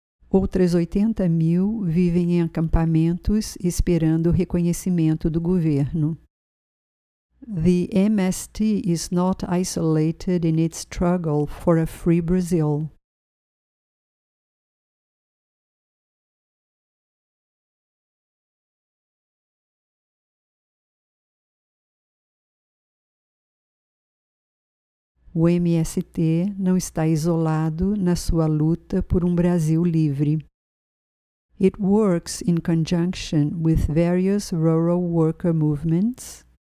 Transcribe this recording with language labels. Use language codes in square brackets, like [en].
[pt] Outras 80 mil vivem em acampamentos esperando o reconhecimento do governo. [en] The MST is not isolated in its struggle for a free Brazil. [pt] O MST não está isolado na sua luta por um Brasil livre. [en] It works in conjunction with various rural worker movements.